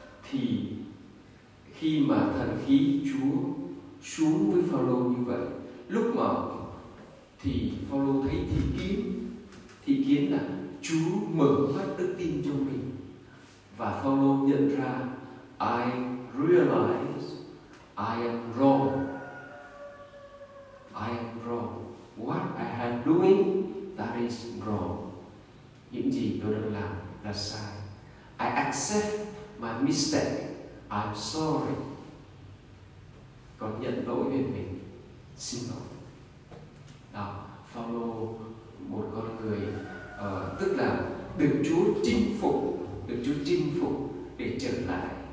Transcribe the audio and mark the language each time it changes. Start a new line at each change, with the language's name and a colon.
Vietnamese: thì khi mà thần khí Chúa xuống với Phao-lô như vậy, lúc mà thì Phao-lô thấy thị kiến là Chúa mở mắt đức tin cho mình, và Phao-lô nhận ra:
English: I realize I am wrong. I am wrong. What I am doing, that is wrong.
Vietnamese: Những gì tôi đang làm là sai.
English: I accept my mistake. I'm sorry.
Vietnamese: Con nhận lỗi về mình. Xin lỗi. Đó, Phao-lô, một con người tức là được Chúa chinh phục, được Chúa chinh phục để trở lại.